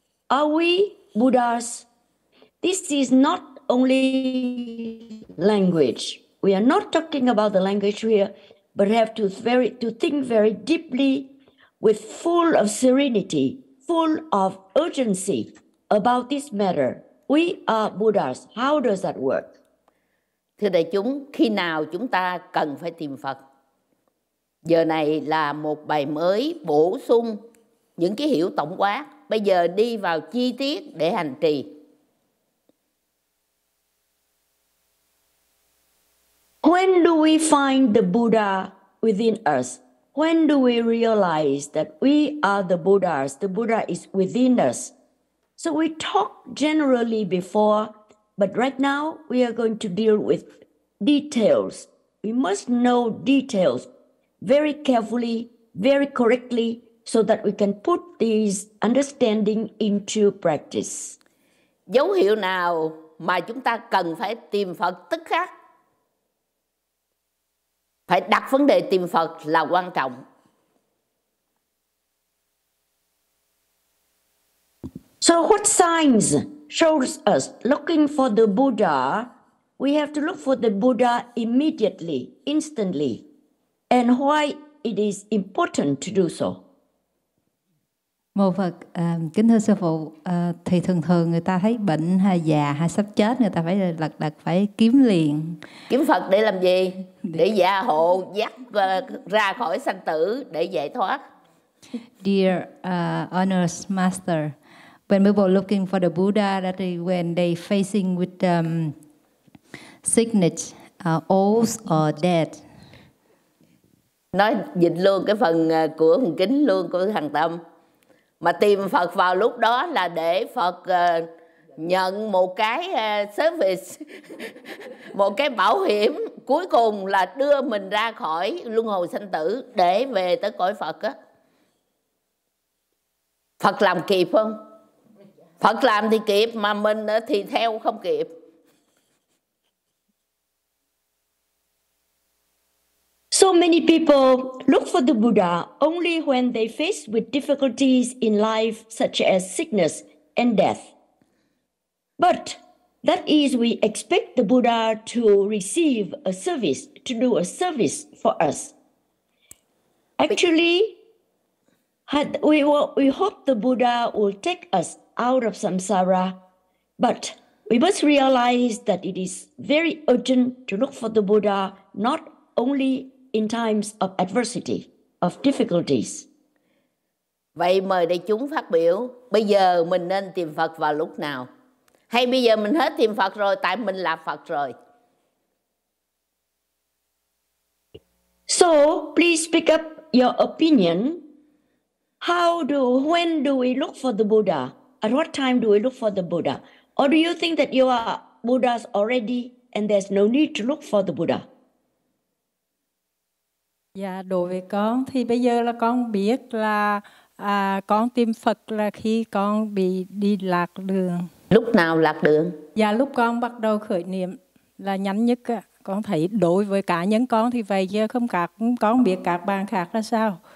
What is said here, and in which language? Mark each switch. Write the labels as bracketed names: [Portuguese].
[English] Are we Buddhas? This is not only language. We are not talking about the language here, but have to think very deeply with full of serenity, full of urgency about this matter. We are Buddhas. How does that work? [Vietnamese] Thưa đại chúng, khi nào chúng ta cần phải tìm Phật? Giờ này là một bài mới bổ sung những cái hiểu tổng quát. Bây giờ đi vào chi tiết để hành trì. [English] When do we find the Buddha within us? When do we realize that we are the Buddhas? The Buddha is within us. So we talked generally before, but right now we are going to deal with details. We must know details very carefully, very correctly, so that we can put these understanding into practice. [Vietnamese] Dấu hiệu nào mà chúng ta cần phải tìm Phật tức khắc? Phải đặt vấn đề tìm Phật là quan trọng. [English] So what signs shows us looking for the Buddha? We have to look for the Buddha immediately, instantly. And why it is important to do so? [Vietnamese] Mô Phật, kính thưa sư phụ, thì thường thường người ta thấy bệnh hay già hay sắp chết, người ta phải lật đật phải kiếm liền. Kiếm Phật để làm gì? Để gia hộ, dắt ra khỏi sanh tử để giải thoát. [English] Dear honored master, when people looking for the Buddha, that is when they facing with sickness, old or dead. [Vietnamese] Nói dịch luôn cái phần của thằng kính luôn của thằng Tâm. Mà tìm Phật vào lúc đó là để Phật nhận một cái service, một cái bảo hiểm cuối cùng là đưa mình ra khỏi luân hồi sanh tử để về tới cõi Phật á. Phật làm kịp không? Phật làm thì kịp mà mình thì theo không kịp. [English] So many people look for the Buddha only when they face with difficulties in life such as sickness and death. But that is we expect the Buddha to receive a service, to do a service for us. Actually, we hope the Buddha will take us out of samsara, but we must realize that it is very urgent to look for the Buddha not only in times of adversity, of difficulties. [Vietnamese] Vậy mời đại chúng phát biểu, bây giờ mình nên tìm Phật vào lúc nào? Hay bây giờ mình hết tìm Phật rồi, tại mình là Phật rồi? [English] So, please speak up your opinion. When do we look for the Buddha? At what time do we look for the Buddha? Or do you think that you are Buddhas already and there's no need to look for the Buddha? [Vietnamese] Dạ, đối với con thì bây giờ là con biết là À, con tìm Phật là khi con bị đi lạc đường. Lúc nào lạc đường? Dạ, lúc con bắt đầu khởi niệm là nhanh nhất. Con thấy đối với cá nhân con thì vậy, chứ không cả, con biết các bạn khác là sao.